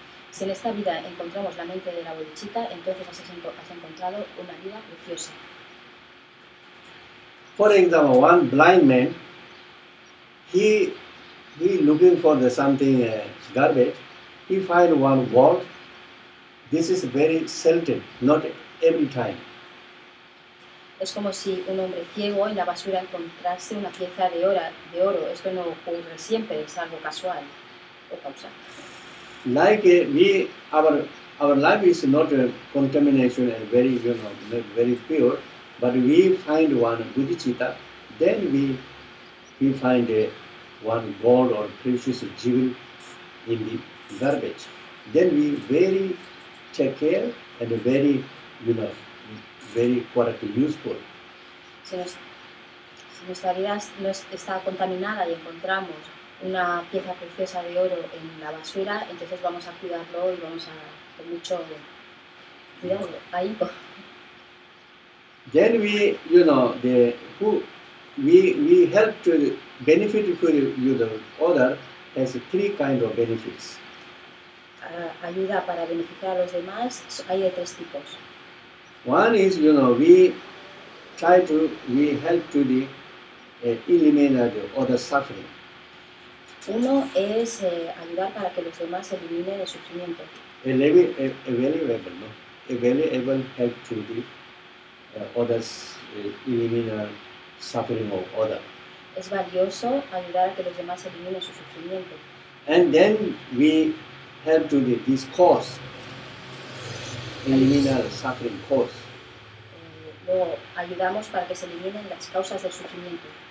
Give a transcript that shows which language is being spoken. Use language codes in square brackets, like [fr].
[es] Si en esta vida encontramos la mente de la bodhicitta, entonces has encontrado una vida preciosa. [en] For example, one blind man, he looking for the something garbage, he find one wall. This is very seldom, not every time. [es] Es como si un hombre ciego en la basura encontrase una pieza de oro. Esto no ocurre siempre, es algo casual o causal. [en] Like we, our life is not a contamination and very, you know, very pure, but we find one bodhicitta, then we find one gold or precious jewel in the garbage. Then we very take care and very, you know, very quite useful. [es] Si nuestra vida no está contaminada y encontramos una pieza preciosa de oro en la basura, entonces vamos a cuidarlo y vamos a con mucho cuidado ahí. [en] Then we, you know, the who we help to benefit for you the other has three kind of benefits. [es] Ayuda para beneficiar a los demás hay de tres tipos. [en] One is, you know, we try to, we help to the eliminate other suffering. [es] Uno es ayudar para que los demás eliminen el sufrimiento. [en] Available, no? Available help to the others eliminate suffering of other. [es] Es valioso ayudar a que los demás eliminen su sufrimiento. [en] And then we help to the this cause, eliminate suffering cause. [es] Luego ayudamos para que se eliminen las causas del sufrimiento.